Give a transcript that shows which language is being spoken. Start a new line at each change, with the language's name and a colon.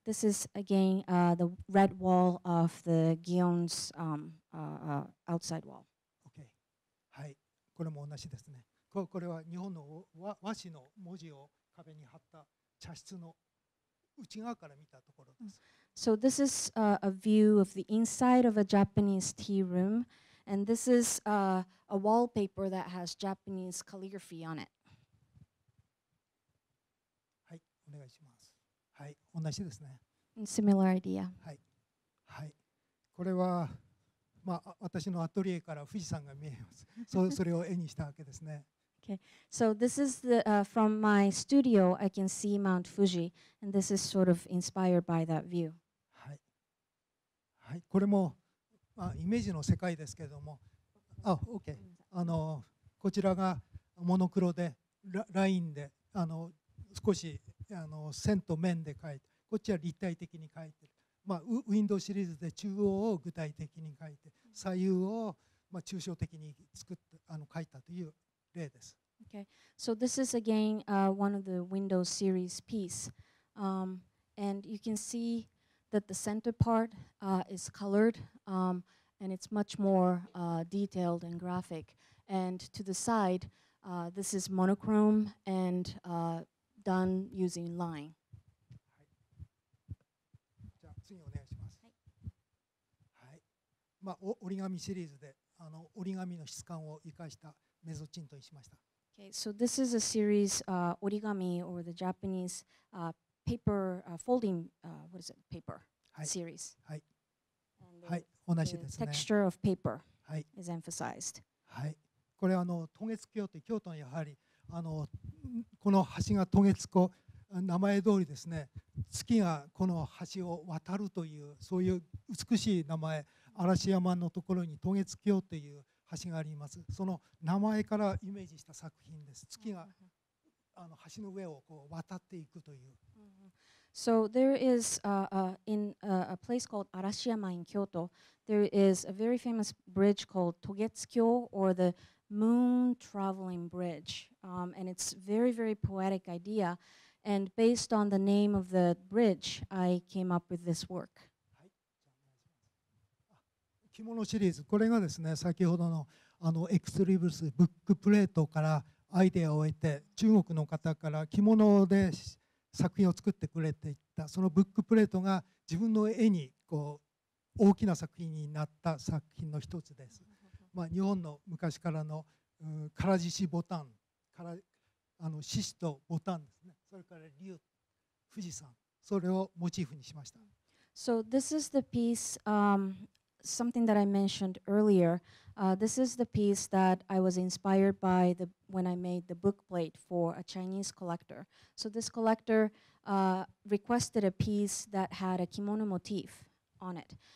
English: this is again the red wall of the Gion's outside wall.
Japanese: Okay, はい、これも同じですね。これは日本の和紙の文字を壁に貼った。茶室の内側から見たところです。
English: So this is a view of the inside of a Japanese tea room, and this is a wallpaper that has Japanese calligraphy on it.
Japanese: はい、お願いします。はい、同じですね。
English: And similar idea.
Japanese: はい、はい、これはまあ私のアトリエから富士山が見えます。それを絵にしたわけですね。
English: Okay, so this is from my studio. I can see Mount Fuji, and this is sort of inspired by that view.
Japanese: はい、はい、これも、まあ、イメージの世界ですけれども、あ、OK、こちらがモノクロで ラインで少し線と面で描いて、こっちは立体的に描いてる。まあウィンドウシリーズで中央を具体的に描いて、左右をまあ抽象的に作って描いたという。
English: Okay, so this is again one of the window series piece, and you can see that the center part is colored, and it's much more detailed and graphic. And to the side, this is monochrome and done using line.
Japanese: はい。じゃあ次お願いします。はい。はい。まあ折り紙シリーズで折り紙の質感を生かした。
English: Okay, so this is a series origami or the Japanese paper folding what is it paper series.
Japanese: はい。はい。同じですね。
English: Texture of paper is emphasized.
Japanese: はい。これは渡月橋って京都にやはりこの橋が渡月橋名前通りですね。月がこの橋を渡るというそういう美しい名前嵐山のところに渡月橋という。橋があります。その名前からイメージした作品です。月が橋の上をこう渡っていくという。 Mm-hmm.
English: So there is in a place called Arashiyama in Kyoto, there is a very famous bridge called Togetsukyo or the Moon Traveling Bridge, and it's very very poetic idea. And based on the name of the bridge, I came up with this work.
Japanese: 着物シリーズこれがですね先ほどのエクスリブスブックプレートからアイデアを得て中国の方から着物で作品を作ってくれていったそのブックプレートが自分の絵にこう大きな作品になった作品の一つです、まあ、日本の昔からの唐獅子ボタンから獅子とボタンですねそれから龍富士山それをモチーフにしました。
English: So this is the piece, something that I mentioned earlier. This is the piece that I was inspired by the, when I made the book plate for a Chinese collector. So this collector requested a piece that had a kimono motif on it.